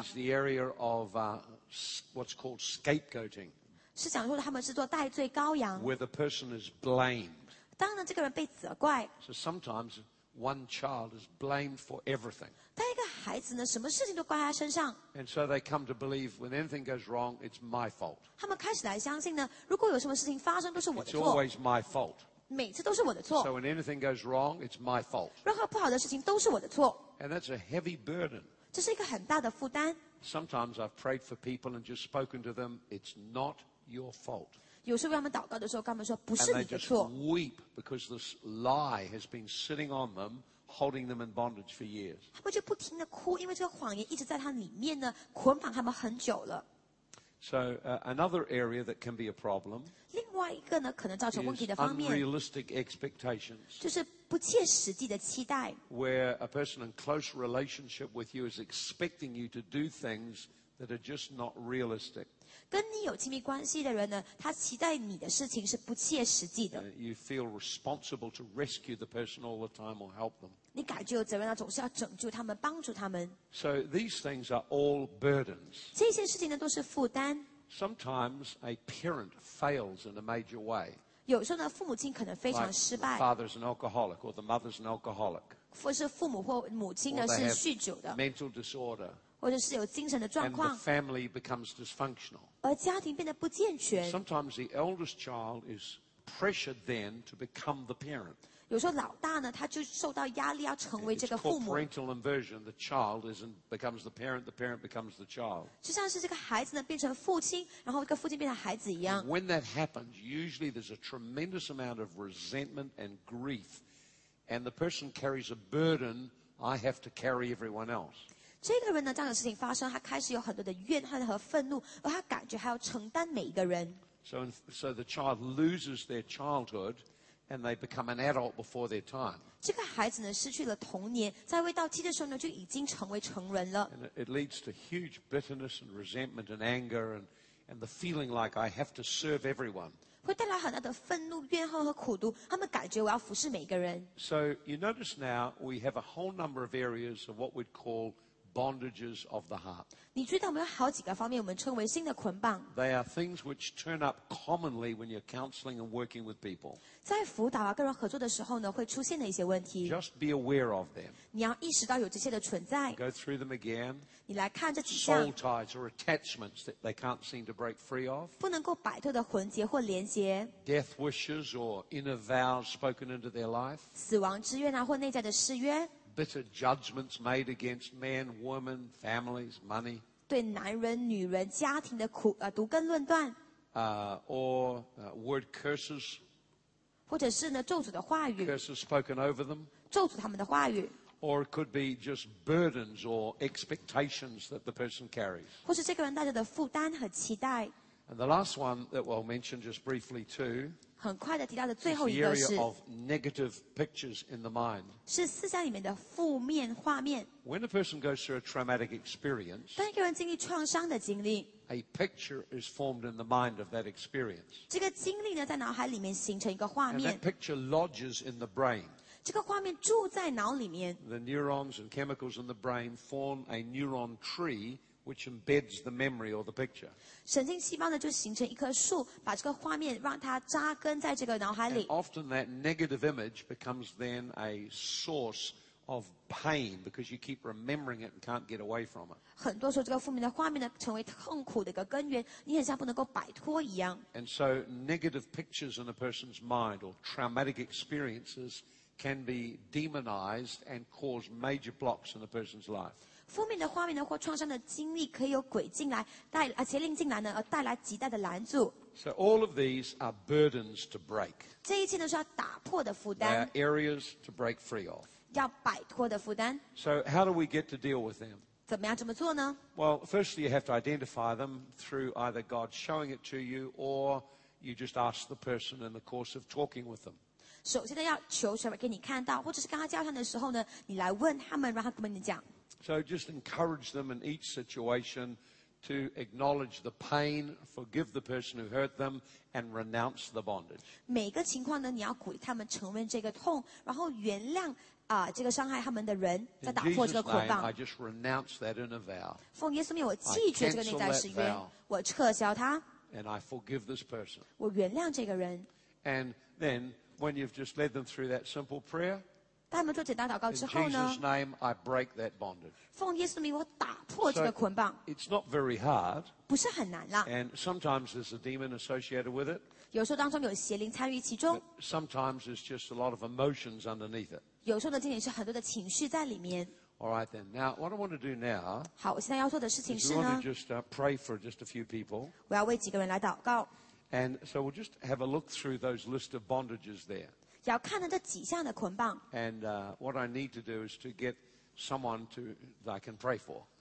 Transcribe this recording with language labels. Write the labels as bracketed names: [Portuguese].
[English] Is the area of what's called scapegoating. [Chinese] 是讲说他们是做代罪羔羊。 [English] Where the person is blamed. [Chinese] 当然，这个人被责怪。 [English] So sometimes one child is blamed for everything. [Chinese] 但一个孩子呢，什么事情都怪在他身上。 [English] And so they come to believe when anything goes wrong, it's my fault. [Chinese] 他们开始来相信呢，如果有什么事情发生，都是我的错。 [English] It's always my fault. [Chinese] 每次都是我的错。 [English] So when anything goes wrong, it's my fault. [Chinese] 任何不好的事情都是我的错。 [English] And that's a heavy burden. [Chinese] 这是一个很大的负担。 [English] Sometimes I've prayed for people and just spoken to them, it's not your fault. [Chinese] 有时候为他们祷告的时候，跟他们说不是你的错。 [English] And they just weep because this lie has been sitting on them. Holding them in bondage for years. [Chinese] 他们就不停地哭，因为这个谎言一直在他里面呢，捆绑他们很久了。 [English] So another area that can be a problem. [Chinese] 另外一个呢，可能造成问题的方面。 [English] Is unrealistic expectations. [Chinese] 就是不切实际的期待。 [English] Where a person in close relationship with you is expecting you to do things that are just not realistic. [Chinese] 跟你有亲密关系的人呢，他期待你的事情是不切实际的。 [English] You feel responsible to rescue the person all the time or help them. [Chinese] 你感觉有责任啊，总是要拯救他们，帮助他们。 [English] So these things are all burdens. [Chinese] 这些事情呢，都是负担。 [English] Sometimes a parent fails in a major way. [Chinese] 有时候呢，父母亲可能非常失败。 [English] Like the father's an alcoholic, or the mother's an alcoholic. [Chinese] 或是父母或母亲呢是酗酒的。 [English] Mental disorder. [Chinese] 或者是有精神的状况 [English] and the family becomes dysfunctional. [Chinese] 而家庭变得不健全。 [English] Sometimes the eldest child is pressured then to become the parent. [Chinese] 有时候老大呢，他就受到压力要成为这个父母。 [English] It's called parental inversion. The child becomes the parent becomes the child. [Chinese] 就像是这个孩子呢变成父亲，然后一个父亲变成孩子一样。 [English] And when that happens, usually there's a tremendous amount of resentment and grief, and the person carries a burden I have to carry everyone else. [Chinese] 这个人呢，这样的事情发生，他开始有很多的怨恨和愤怒，而他感觉还要承担每一个人。 [English] So the child loses their childhood, and they become an adult before their time. [Chinese] 这个孩子呢，失去了童年，在未到七的时候呢，就已经成为成人了。 [English] And it leads to huge bitterness and resentment and anger, and the feeling like I have to serve everyone. [Chinese] 会带来很大的愤怒、怨恨和苦毒。他们感觉我要服侍每一个人。 [English] So you notice now we have a whole number of areas of what we'd callbondages of the heart. [Chinese] 你知道我们有好几个方面我们称为新的捆绑。 [English] They are things which turn up commonly when you're counseling and working with people. [Chinese] 在辅导啊跟人合作的时候呢会出现的一些问题。 [English] Just be aware of them. [Chinese] 你要意识到有这些的存在。 [English] Go through them again. [Chinese] 你来看这几项。 [English] Soul ties or attachments that they can't seem to break free of. [Chinese] 不能够摆脱的魂结或连结。 [English] Death wishes or inner vows spoken into their life. [Chinese] 死亡之愿啊或内在的誓约。 [English] Bitter judgments made against men, women, families, money. [Chinese] 对男人、女人、家庭的苦啊，独根论断。 [English] Or word curses. [Chinese] 或者是呢咒诅的话语。 [English] Curses spoken over them. [Chinese] 咒诅他们的话语。 [English] Or it could be just burdens or expectations that the person carries. [Chinese] 或是这个人带着的负担和期待。 [English] And the last one that we'll mention just briefly too. [Chinese] 很快的提到的最后一个是 [English] negative pictures in the mind. [Chinese] 是思想里面的负面画面。 [English] When a person goes through a traumatic experience, [Chinese] 当一个人经历创伤的经历 [English] a picture is formed in the mind of that experience. [Chinese] 这个经历呢，在脑海里面形成一个画面。 [English] And that picture lodges in the brain. [Chinese] 这个画面住在脑里面。 [English] The neurons and chemicals in the brain form a neuron tree. Which embeds the memory or the picture. [Chinese] 神经细胞呢就形成一棵树，把这个画面让它扎根在这个脑海里。 [English] And often that negative image becomes then a source of pain because you keep remembering it and can't get away from it. [Chinese] 很多时候这个负面的画面呢成为痛苦的一个根源，你很像不能够摆脱一样。 [English] And so negative pictures in a person's mind or traumatic experiences can be demonized and cause major blocks in a person's life. [Chinese] 负面的画面呢或创伤的经历可以有鬼进来带邪灵进来呢而带来极大的拦阻 [English] So all of these are burdens to break [Chinese] 这一切呢是要打破的负担 [English] They are areas to break free of [Chinese] 要摆脱的负担。 [English] So how do we get to deal with them? [Chinese] 怎么样这么做呢? [English] Well, firstly, you have to identify them through either God showing it to you, or you just ask the person in the course of talking with them. [Chinese] 首先要求神给你看到，或者是跟他交谈的时候呢，你来问他们，让他跟你讲。 [English] So just encourage them in each situation to acknowledge the pain, forgive the person who hurt them, and renounce the bondage. [Chinese] 每个情况呢，你要鼓励他们承认这个痛，然后原谅啊、这个伤害他们的人，再打破这个捆绑。 [English] In Jesus' name, I just renounce that inner vow. [Chinese] 奉耶稣名，我弃绝这个内在誓约，我撤销它。 [English] And I forgive this person. [Chinese] 我原谅这个人。 [English] And then, when you've just led them through that simple prayer. [Chinese] 他们做简单祷告之后呢 [English] In Jesus' name, I break that bondage. [Chinese] 奉耶稣名，我打破这个捆绑。 [English] So, it's not very hard. [Chinese] 不是很难啦。 [English] And sometimes there's a demon associated with it. [Chinese] 有时候当中有邪灵参与其中。 [English] But sometimes there's just a lot of emotions underneath it. [Chinese] 有时候呢，仅仅是很多的情绪在里面。 [English] All right then. Now, what I want to do now. [Chinese] 好，我现在要做的事情是呢。 [English] We want to just pray for just a few people. [Chinese] 我要为几个人来祷告。 [English] And so we'll just have a look through those list of bondages there. [Chinese] 要看到这几项的捆绑。 [English] And what I need to do is to get someone to that I can pray for.